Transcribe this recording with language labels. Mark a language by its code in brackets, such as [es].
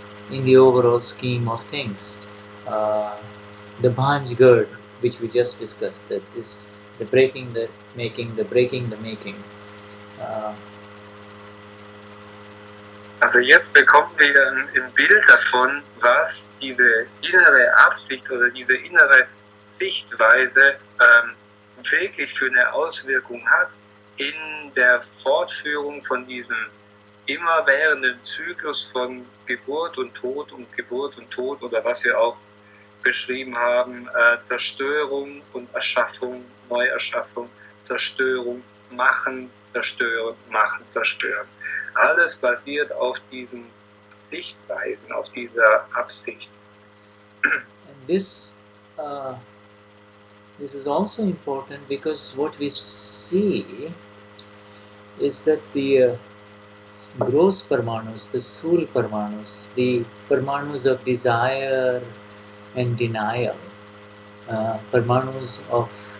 [en] In the overall scheme of things, the Bhanjgarh, which we just discussed, that this the breaking, the making, the breaking, the making. [de] Also jetzt bekommen wir ein Bild davon, was diese innere Absicht oder diese innere Sichtweise wirklich für eine Auswirkung hat in der Fortführung von diesem immerwährenden Zyklus von Geburt und Tod und Geburt und Tod oder was wir auch beschrieben haben, Zerstörung und Erschaffung, Neuerschaffung, Zerstörung, Machen, Zerstören, Machen, Zerstören. Alles basiert auf diesen Sichtweisen, auf dieser Absicht. [en] And this is also important because what we see is that the gross Parmanus, the Sthul Parmanus, the Parmanus of desire and denial, Parmanus of